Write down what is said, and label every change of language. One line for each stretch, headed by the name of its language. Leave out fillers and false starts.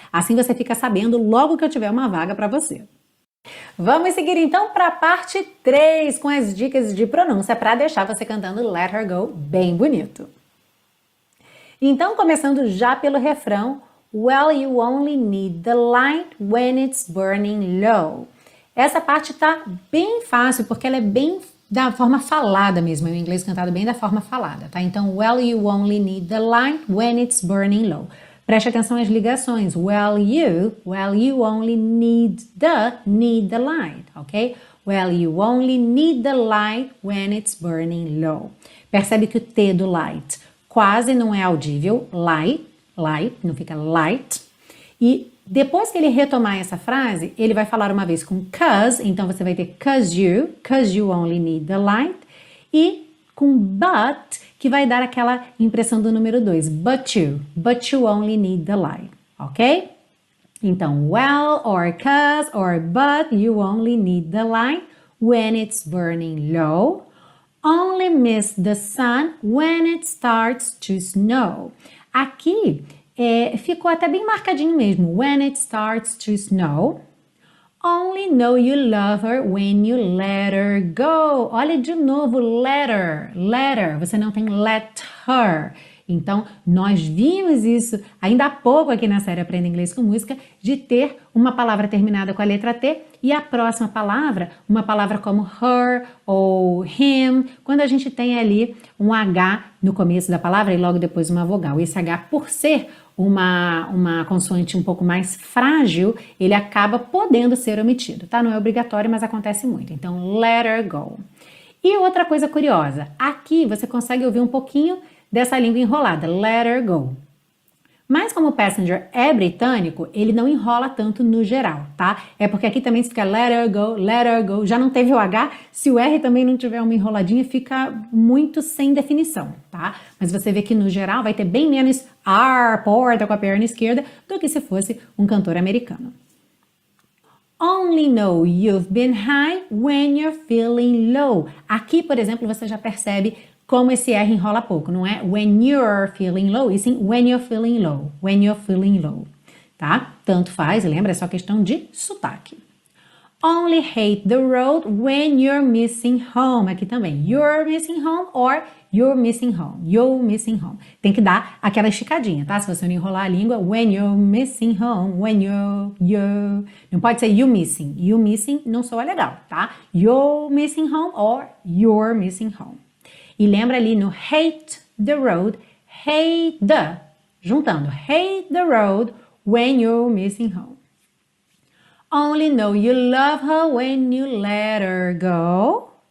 Portuguese: Assim você fica sabendo logo que eu tiver uma vaga para você. Vamos seguir então para a parte 3 com as dicas de pronúncia para deixar você cantando Let Her Go bem bonito. Então, começando já pelo refrão,
English: Well, you only need the light when it's burning low.
Portuguese: Essa parte tá bem fácil porque ela é bem da forma falada mesmo, é o inglês cantado bem da forma falada, tá?
English: Então, Well, you only need the light when it's burning low.
Portuguese: Preste atenção às ligações.
English: Well, you only need the light, ok? Well, you only need the light when it's burning low.
Portuguese: Percebe que o T do light quase não é audível, light, não fica light. E depois que ele retomar essa frase, ele vai falar uma vez com cause, então você vai ter
English: cause you only need the light,
Portuguese: e com but, que vai dar aquela impressão do número 2,
English: but you only need the light,
Portuguese: ok?
English: Então, well, or cause, or but, you only need the light when it's burning low. Only miss the sun when it starts to snow.
Portuguese: Aqui ficou até bem marcadinho mesmo.
English: When it starts to snow. Only know you love her when you let her go.
Portuguese: Olha de novo, letter. Você não tem let her. Então, nós vimos isso ainda há pouco aqui na série Aprenda Inglês com Música, de ter uma palavra terminada com a letra T e a próxima palavra, uma palavra como her ou him, quando a gente tem ali um H no começo da palavra e logo depois uma vogal. Esse H, por ser uma consoante um pouco mais frágil, ele acaba podendo ser omitido, tá? Não é obrigatório, mas acontece muito. Então,
English: let her go.
Portuguese: E outra coisa curiosa, aqui você consegue ouvir um pouquinho dessa língua enrolada, let her go. Mas como o passenger é britânico, ele não enrola tanto no geral, tá? É porque aqui também fica
English: let her go,
Portuguese: já não teve o H, se o R também não tiver uma enroladinha, fica muito sem definição, tá? Mas você vê que no geral vai ter bem menos ar, porta com a perna esquerda, do que se fosse um cantor americano.
English: only know you've been high when you're feeling low.
Portuguese: Aqui, por exemplo, você já percebe como esse R enrola pouco, não é?
English: When you're feeling low,
Portuguese: e sim
English: when you're feeling low. When you're feeling low.
Portuguese: Tá? Tanto faz, lembra? É só questão de sotaque.
English: Only hate the road when you're missing home.
Portuguese: Aqui também.
English: You're missing home or you're missing home. You're missing home.
Portuguese: Tem que dar aquela esticadinha, tá? Se você não enrolar a língua.
English: When you're missing home. When you're...
Portuguese: Não pode ser you missing. You missing não soa legal, tá?
English: You're missing home or you're missing home.
Portuguese: E lembra ali no
English: hate the road. Hate the.
Portuguese: Juntando.
English: Hate the road when you're missing home. Only know you love her when you let her go.